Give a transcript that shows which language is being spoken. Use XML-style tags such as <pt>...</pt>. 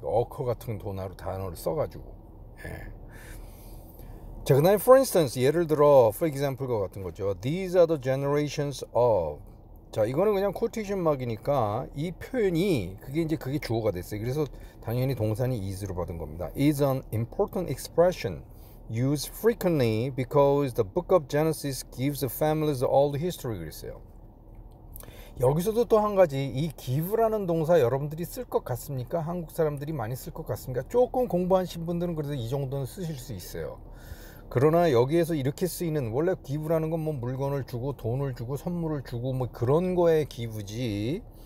<ko>어커 같은 단어를 써가지고. 예. 자, 그다음에 for instance 예를 들어 for example 같은 거죠.</ko> <en>These are the generations of</en> <ko>자, 이거는 그냥 quotation mark이니까 이 표현이 그게 이제 그게 주어가 됐어요. 그래서 당연히 동사는 is로 받은 겁니다.</ko> <en>Is an important expression used frequently because the book of Genesis gives the families all the history 그랬어요.</en> <ko>여기서도 또한 가지 이 give라는 동사 여러분들이 쓸것 같습니까? 한국 사람들이 많이 쓸것 같습니까? 조금 공부하신 분들은 그래도 이 정도는 쓰실 수 있어요. 그러나 여기에서 이렇게 쓰이는 원래 기부라는 건뭐 물건을 주고 돈을 주고 선물을 주고 뭐 그런 거에 기부지.</ko>